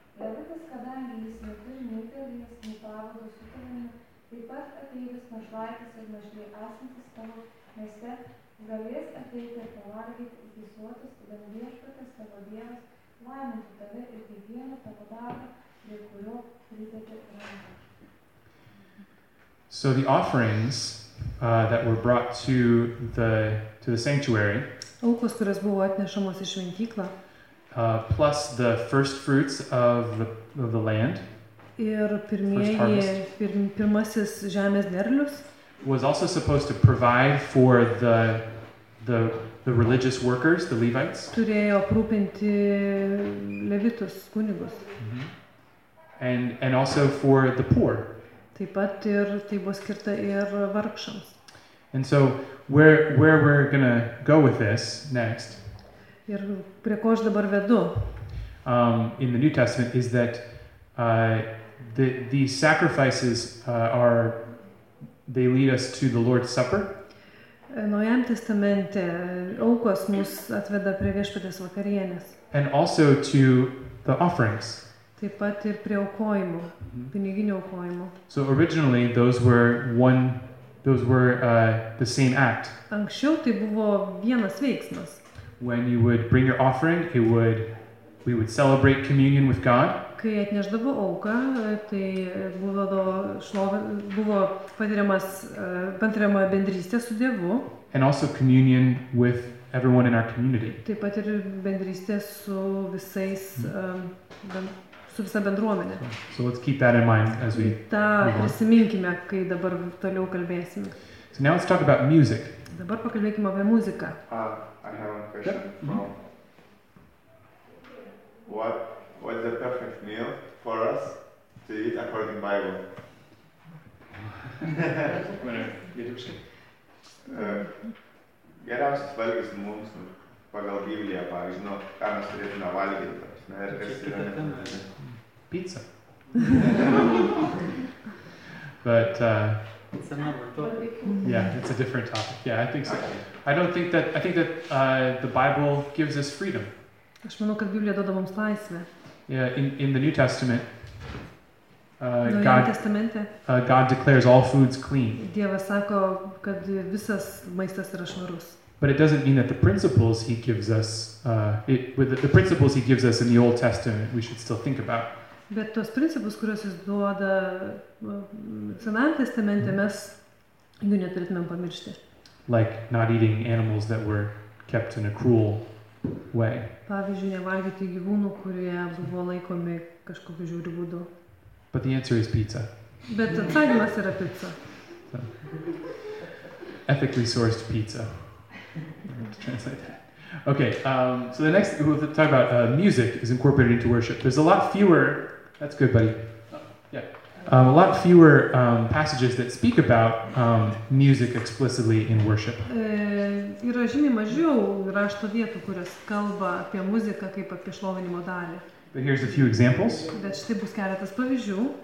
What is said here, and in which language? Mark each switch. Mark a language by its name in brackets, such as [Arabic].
[Lithuanian] Davidas, kadangi jis neturi nei pilies, nei pavado su tavimi, taip pat ateivis našlaitis ir našliai esantis tavo mieste, galės ateiti ir pavargyti į visuotus, tada viešpatės tavo dienas, laimintų tave ir kiekvieną tavo darbą, dėl kurio pridėti ranką. [English] So the offerings that were brought to the sanctuary, [Lithuanian] aukos, kurios buvo atnešamos į šventyklą, [English] plus the first fruits of the land, [Lithuanian] ir pirmasis žemės derlius, [English] was also supposed to provide for the religious workers, the Levites, [Lithuanian] turėjo aprūpinti levitus, kunigus, [English] and also for the poor. [Lithuanian] Taip pat ir tai buvo skirta ir vargšams. [English] And so where we're going to go with this next? [Lithuanian] Ir prie ko aš dabar vedu? [English] In the New Testament is that the sacrifices they lead us to the Lord's Supper. [Lithuanian] Naujam testamente aukos mus atveda prie viešpaties vakarienės. [English] And also to the offerings. [Lithuanian] Taip pat ir prie aukojimo, piniginio aukojimo. [English] So originally those were the same act. [Lithuanian] Anksčiau tai buvo vienas veiksmas. [English] When you would bring your offering, we would celebrate communion with God. [Lithuanian] Kai atnešdavo auką, tai buvo patiriama bendrystė su Dievu. [English] And also communion with everyone in our community. [Lithuanian] Taip pat ir bendrystė su visais su visa bendruomenė. [English] So let's keep that in mind as we [Lithuanian] prisiminkime, kai dabar toliau kalbėsime. [English] So now let's talk about music. [Lithuanian] Dabar pakalbėkime apie muziką. [English] I have a question. What is the perfect meal for us to eat according to Bible? [Lithuanian] Geriausias valgis mums pagal Bibliją, pavyzdžiui, nu, ką mes turėtume valgyti, ir kas yra. [English] Pizza. But it's another topic. Yeah, it's a different topic. Yeah, I think so. I think that the Bible gives us freedom. [Lithuanian] Aš manau, kad Biblija duoda mums laisvę. [English] Yeah, in the New Testament, God declares all foods clean. [Lithuanian] Dievas sako, kad visas maistas yra švarus. [English] But it doesn't mean that the principles he gives us the principles he gives us in the Old Testament we should still think about. [Lithuanian] Bet tos principus, kuriuos jis duoda Senajame testamente, mes jų neturėtumėm pamiršti. [English] Like not eating animals that were kept in a cruel way. [Lithuanian] Pavyzdžiui, nevalgyti gyvūnų, kurie buvo laikomi kažkokiu žiauriu būdu. [English] But the answer is pizza. [Lithuanian] Bet atsakymas yra pizza. [English] So, ethically sourced pizza. To translate that. Okay, so the next, we'll talk about music is incorporated into worship. There's a lot fewer, that's good, buddy. A lot fewer passages that speak about music explicitly in worship. [Lithuanian] Yra žymiai mažiau rašto vietų, kurios kalba apie muziką kaip apie šlovinimo dalį. [English] But here's a few examples. [Lithuanian] Bet štai bus keletas pavyzdžių.